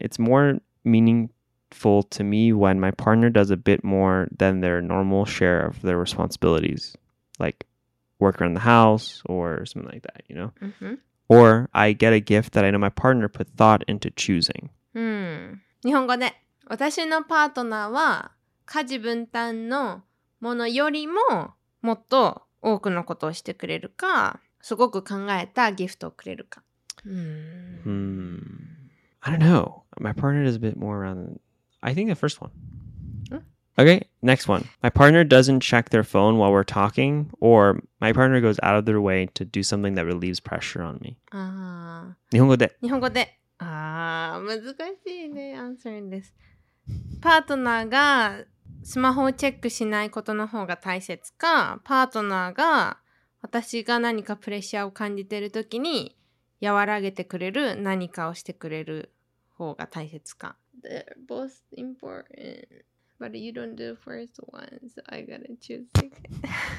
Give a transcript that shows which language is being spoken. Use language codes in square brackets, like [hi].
[en] It's more meaningful to me when my partner does a bit more than their normal share of their responsibilities, like work around the house or something like that, you know? Mm-hmm. Or I get a gift that I know my partner put thought into choosing. Hmm. [ja] 日本語で、私のパートナーは家事分担のものよりももっと多くのことをしてくれるか、すごく考えたギフトをくれるか。 [en] Hmm. I don't know. My partner does a bit more around... I think the first one. Okay, next one. My partner doesn't check their phone while we're talking, or my partner goes out of their way to do something that relieves pressure on me. Ah. [ja] 日本語で。日本語で。ああ、難しいね、 [en] answering this。 [ja] パートナーがスマホをチェックしないことの方が大切か、パートナーが私が何かプレッシャーを感じているときに和らげてくれる何かをしてくれる方が大切か。 [en] They're both important, but you don't do the first one, so I gotta choose the second.